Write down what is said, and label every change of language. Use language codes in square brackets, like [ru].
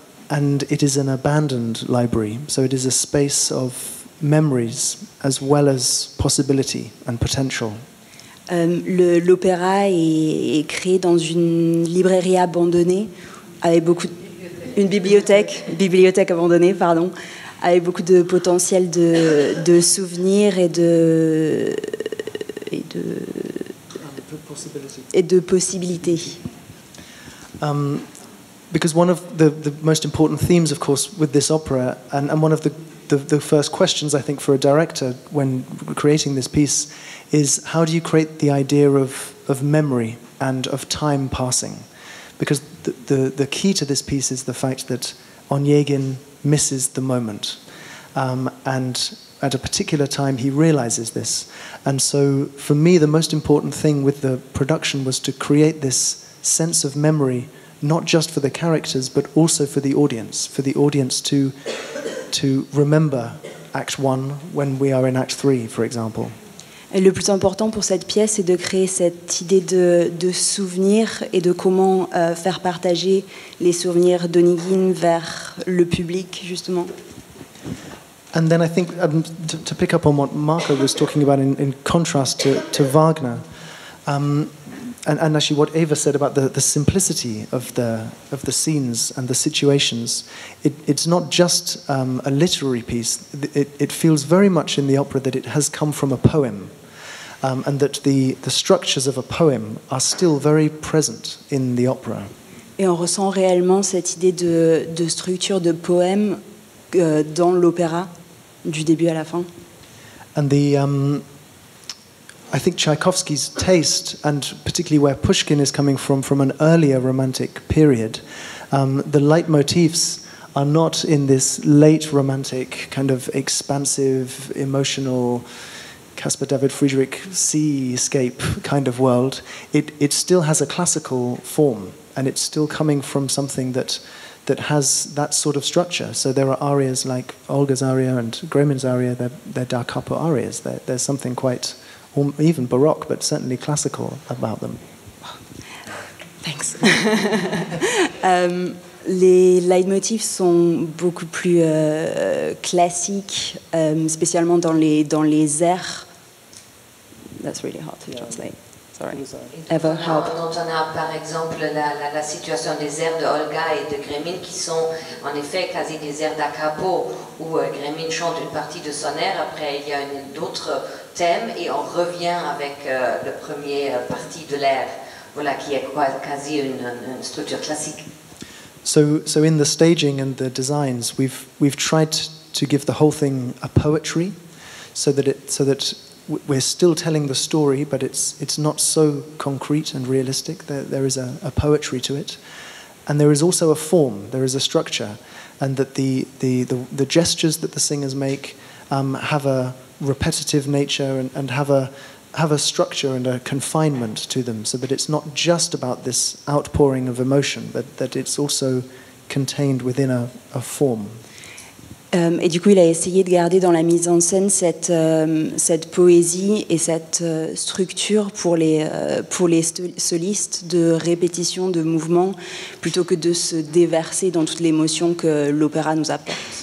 [en] And it is an abandoned library, so it is a space of memories as well as possibility and potential. [fr] L'opéra est créé dans une librairie abandonnée, avec beaucoup de, une bibliothèque abandonnée, pardon, avec beaucoup de potentiel de souvenirs et de possibilités. [en] Because one of the most important themes, of course, with this opera, and one of the first questions, I think, for a director when creating this piece is, how do you create the idea of memory and of time passing? Because the key to this piece is the fact that Onyegin misses the moment. And at a particular time, he realizes this. And so, for me, the most important thing with the production was to create this sense of memory, not just for the characters, but also for the audience to remember act one when we are in act three, for example. [fr] Et le plus important pour cette pièce est de créer cette idée de souvenir et de comment faire partager les souvenirs d'Onyegin vers le public, justement. [en] And then I think, to pick up on what Marco was talking about in contrast to Wagner, and actually what Eva said about the simplicity of the scenes and the situations, it's not just a literary piece. It feels very much in the opera that it has come from a poem, and that the structures of a poem are still very present in the opera. [fr] Et on ressent réellement cette idée de structure de poème dans l'opéra, du début à la fin. [en] And the I think Tchaikovsky's taste, and particularly where Pushkin is coming from an earlier Romantic period, the leitmotifs are not in this late Romantic, kind of expansive, emotional, Caspar David Friedrich seascape kind of world. It still has a classical form, and it's still coming from something that has that sort of structure. So there are arias like Olga's aria and Gremin's aria, they're da capo arias. There's something quite, or even baroque, but certainly classical about them. Thanks. [fr] Les leitmotifs sont beaucoup plus classiques, spécialement dans les airs. [en] That's really hard to translate. Sorry. Ever help? [fr] Dont on a par exemple la situation des airs de Olga et de Gremin, qui sont en effet quasi des airs da capo, où Gremin chante une partie de son air, après il y a d'autres thème et on revient avec le premier partie de l'air, voilà, qui est quasi une structure classique. [en] So in the staging and the designs, we've tried to give the whole thing a poetry, so that we're still telling the story, but it's not so concrete and realistic. There is a poetry to it, and there is also a form, there is a structure, and that the gestures that the singers make have a repetitive nature and have a structure and a confinement to them, so that it's not just about this outpouring of emotion, but that it's also contained within a form. [fr] Et du coup, il a essayé de garder dans la mise en scène cette poésie et cette structure pour les solistes de répétition de mouvements plutôt que de se déverser dans toute l'émotion que l'opéra nous apporte.